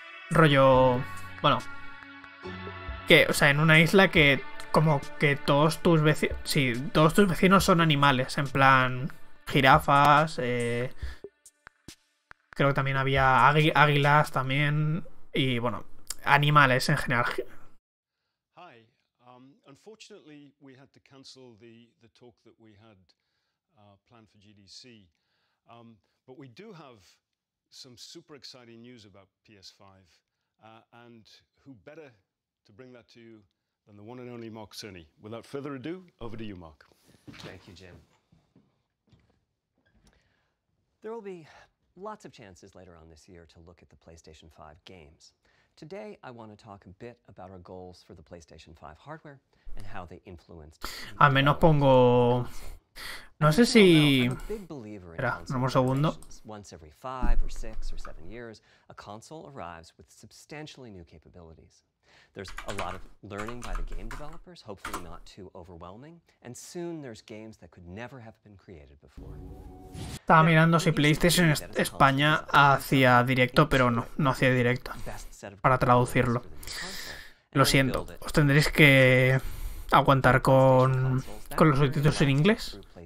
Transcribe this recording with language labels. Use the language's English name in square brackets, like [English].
[Spanish] Rollo. Bueno. Que, o sea, en una isla que. Como que todos tus vecinos. Sí, todos tus vecinos son animales. En plan. Jirafas, creo que también había águilas también y bueno, animales en general. [English] Hi. Unfortunately, we had to cancel the talk that we had planned for GDC. But we do have some super exciting news about PS5, and who better to bring that to you than the one and only Mark Cerny. Without further ado, over to you, Mark. Thank you, Jim. There will be lots of chances later on this year to look at the PlayStation 5 games. Today, I want to talk a bit about our goals for the PlayStation 5 hardware and how they influenced... [Spanish] Al menos pongo... No sé si... Espera, un segundo. [English] Once every 5 or 6 or 7 years, a console arrives with substantially new capabilities. There's a lot of learning by the game developers, hopefully not too overwhelming, and soon there's games that could never have been created before. [Spanish] Estaba mirando si PlayStation España hacía directo, pero no, no hacía directo para traducirlo. Lo siento, os tendréis que aguantar con los subtítulos en inglés.